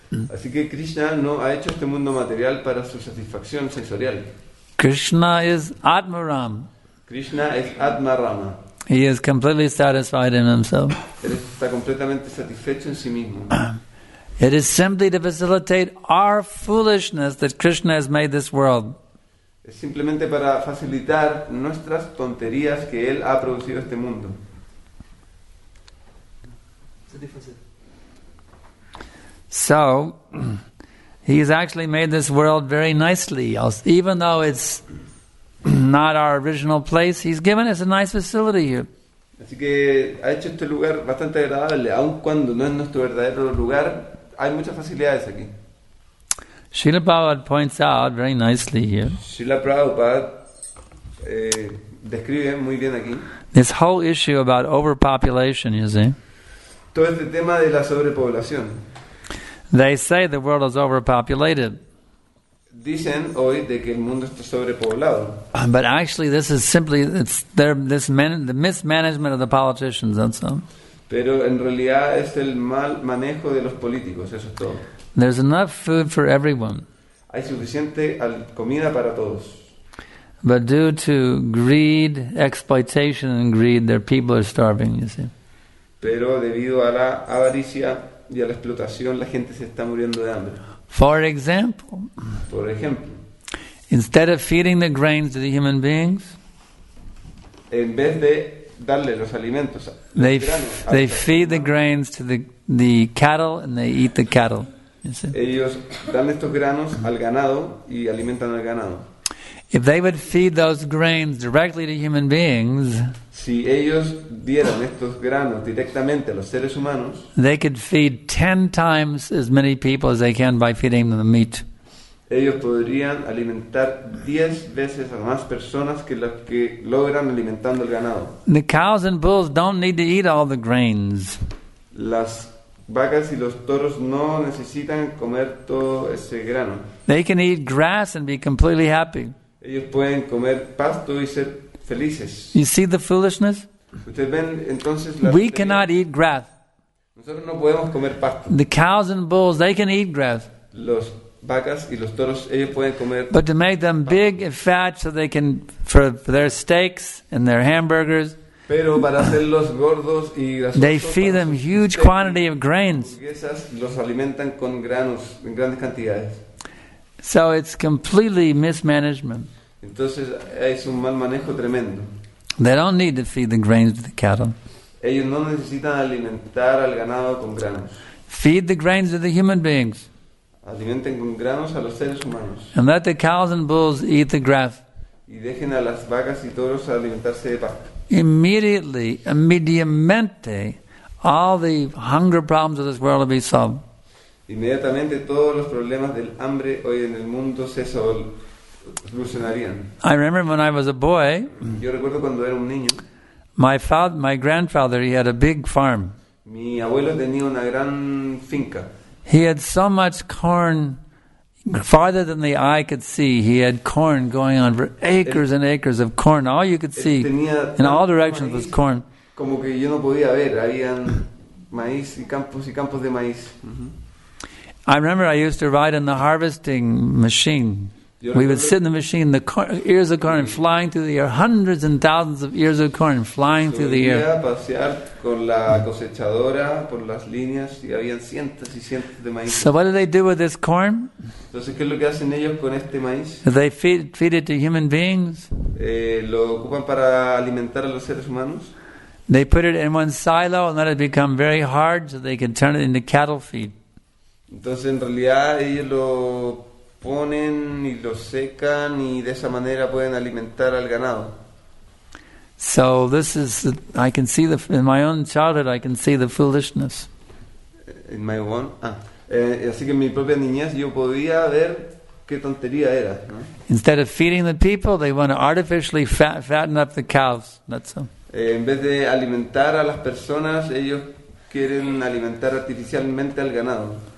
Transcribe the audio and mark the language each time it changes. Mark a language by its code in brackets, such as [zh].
[es] Así que Krishna no ha hecho este mundo material para su satisfacción sensorial. [en] Krishna is Atmaram. Krishna is Atmarama. He is completely satisfied in himself. [es] Él está completamente satisfecho en sí mismo. [en] It is simply to facilitate our foolishness that Krishna has made this world. [es] Es simplemente para facilitar nuestras tonterías que él ha producido este mundo. [en] So, he has actually made this world very nicely. Even though it's not our original place, he's given us a nice facility here. [es] Así que ha hecho este lugar bastante agradable, aun cuando no es nuestro verdadero lugar, hay muchas facilidades aquí. [en] Srila Prabhupada points out very nicely here. [es] Srila Prabhupada describe muy bien aquí. [en] This whole issue about overpopulation, you see. [es] Todo este tema de la sobrepoblación. [en] They say the world is overpopulated. [es] Dicen hoy de que el mundo está sobrepoblado. [en] But actually, this is simply the mismanagement of the politicians. That's all. [es] Pero en realidad es el mal manejo de los políticos. Eso es todo. [en] There's enough food for everyone. [es] Hay suficiente comida para todos. [en] But due to greed, exploitation and greed, their people are starving, you see. [es] Pero debido a la avaricia y a la explotación, la gente se está muriendo de hambre. [en] For example. [es] Por ejemplo. [en] Instead of feeding the grains to the human beings, [es] en vez de darle los alimentos, [en] they feed the grains to the cattle and they eat the cattle. [es] Ellos dan estos granos al ganado y alimentan al ganado. [en] If they would feed those grains directly to human beings, [es] si ellos dieran estos granos directamente a los seres humanos, [en] they could feed 10 times as many people as they can by feeding them the meat. [es] Ellos podrían alimentar 10 veces a más personas que las que logran alimentando el ganado. [en] The cows and bulls don't need to eat all the grains. [es] Las vacas y los toros no necesitan comer todo ese grano. [en] They can eat grass and be completely happy. [es] Ellos pueden comer pasto y ser felices. [en] You see the foolishness? [es] ¿Ustedes ven entonces [en] la? We cannot eat grass. [es] Nosotros no podemos comer pasto. [en] The cows and bulls, they can eat grass. [es] Los vacas y los toros, ellos pueden comer [en] pasto. But to make them big and fat so they can for their steaks and their hamburgers. [es] Pero para hacerlos gordos y grasosos, [en] they feed them huge quantity of grains. [es] Los alimentan con granos en grandes cantidades. [en] So it's completely mismanagement. [es] Entonces es un mal manejo tremendo. [en] They don't need to feed the grains to the cattle. [es] Ellos no necesitan alimentar al ganado con granos. [en] Feed the grains to the human beings. [es] Alimenten con granos a los seres humanos. [en] And let the cows and bulls eat the grass. [es] Y dejen a las vacas y toros a alimentarse de pasto. [en] Immediately, all the hunger problems of this world will be solved. [es] Inmediatamente todos los problemas del hambre hoy en el mundo se solucionarían. [en] I remember when I was a boy. [es] Yo recuerdo cuando era un niño. [en] My grandfather, he had a big farm. [es] Mi abuelo tenía una gran finca. [en] He had so much corn. Farther than the eye could see, he had corn going on for acres and acres of corn. All you could see in all directions was corn. [es] Como que yo no podía ver. Habían maíz y campos y campos de maíz. [en] I remember I used to ride in the harvesting machine. We would sit in the machine, the ears of corn flying through the air, hundreds and thousands of ears of corn flying through the air. [es] Solía pasear con la cosechadora por las líneas y habían cientos y cientos de maíz. [en] So what do they do with this corn? [es] Entonces, ¿qué es lo que hacen ellos con este maíz? [en] They feed it to human beings. [es] Lo ocupan para alimentar a los seres humanos. [en] They put it in one silo and let it become very hard so they can turn it into cattle feed. [es] Entonces, en realidad, ellos lo ponen y lo secan y de esa manera pueden alimentar al ganado. [en] So this is I can see the in my own childhood I can see the foolishness. In my own [es] así que en mi propia niñez yo podía ver qué tontería era, ¿no? [en] Instead of feeding the people, they want to artificially fatten up the cows. That's so. [es] En vez de alimentar a las personas, ellos quieren alimentar artificialmente al ganado.